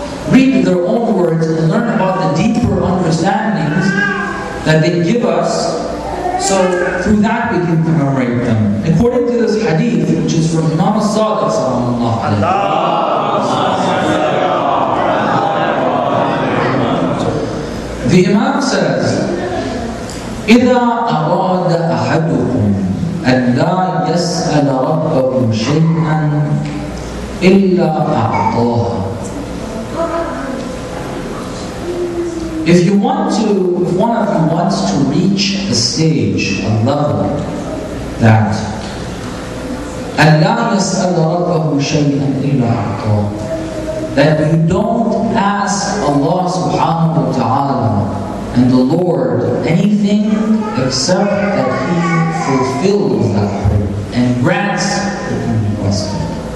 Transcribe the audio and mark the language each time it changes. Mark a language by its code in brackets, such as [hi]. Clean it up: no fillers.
[en] Read their own words and learn about the deeper understandings that they give us, so through that we can commemorate them. According to this hadith, which is from Imam Sadiq, sallallahu alayhi wa sallam. [ar] says, إذا أراد أحدكم أن لا يسأل ربه شيئاً إلا أعطاه. [en] If one of you wants to reach a stage, a level that [ar] أن لا يسأل ربه شيئاً إلا أعطاه, [en] that you don't ask Allah subhanahu wa ta'ala and the Lord anything except that He fulfills that prayer and grants what you ask Him.